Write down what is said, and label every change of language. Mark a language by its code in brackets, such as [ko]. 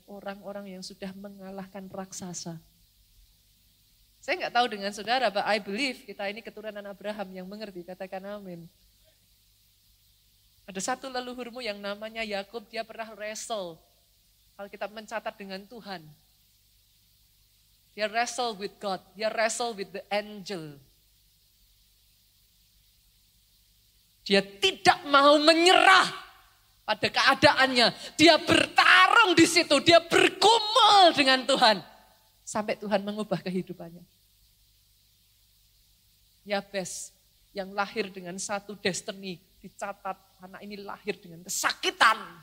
[id] Orang-orang yang sudah mengalahkan raksasa. Saya enggak tahu dengan saudara, [en] but I believe [id] kita ini keturunan Abraham yang mengerti. Katakan amin. Ada satu leluhurmu yang namanya Yakub, dia pernah wrestle. Alkitab mencatat dengan Tuhan. [en] Dia wrestle with God, dia wrestle with the angel. [id] Dia tidak mau menyerah pada keadaannya. Dia bertarung di situ, dia bergumul dengan Tuhan. sampai Tuhan mengubah kehidupannya. Yabes yang lahir dengan satu destiny dicatat, anak ini lahir dengan kesakitan.